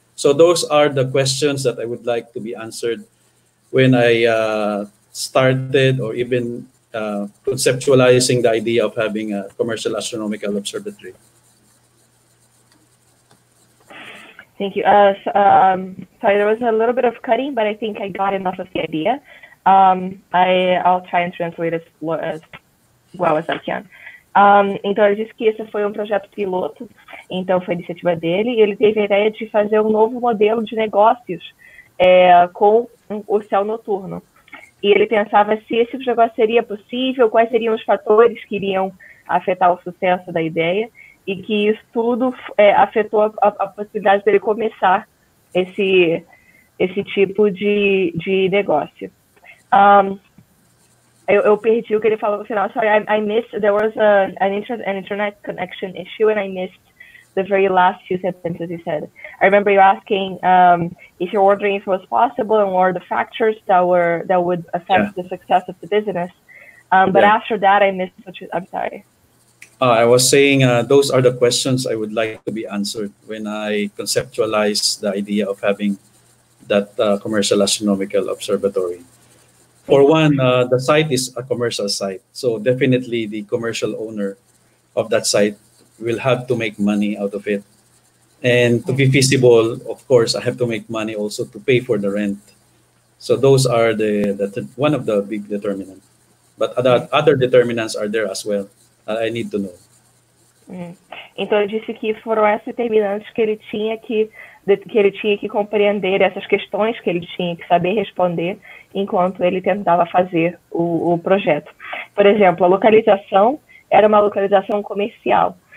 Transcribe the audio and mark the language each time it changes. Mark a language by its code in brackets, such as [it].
[en] So those are the questions that I would like to be answered when I started or even conceptualizing the idea of having a commercial astronomical observatory. Thank you. Sorry, there was a little bit of cutting, but I think I got enough of the idea. I'll try and translate as well as I can. [pt] Então, ele disse que esse foi um projeto piloto, então foi a iniciativa dele, e ele teve a ideia de fazer um novo modelo de negócios com o céu noturno. E ele pensava se esse negócio seria possível, quais seriam os fatores que iriam afetar o sucesso da ideia, e que isso tudo afetou a possibilidade dele começar esse tipo de negócio. Eu perdi o que ele falou no final. [en] Sorry, I missed. There was an internet connection issue, and I missed the very last few sentences he said. I remember you asking if you're wondering if it was possible and what are the factors that would affect the success of the business. But after that, I missed. I'm sorry. I was saying those are the questions I would like to be answered when I conceptualize the idea of having that commercial astronomical observatory. For one, the site is a commercial site, so definitely the commercial owner of that site will have to make money out of it. And to be feasible, of course, I have to make money also to pay for the rent. So those are the one of the big determinants. But other determinants are there as well. I need to know. [pt] Então, ele disse que foram esses determinantes que ele tinha que compreender, essas questões que ele tinha que saber responder enquanto ele tentava fazer o projeto. Por exemplo, a localização era uma localização comercial.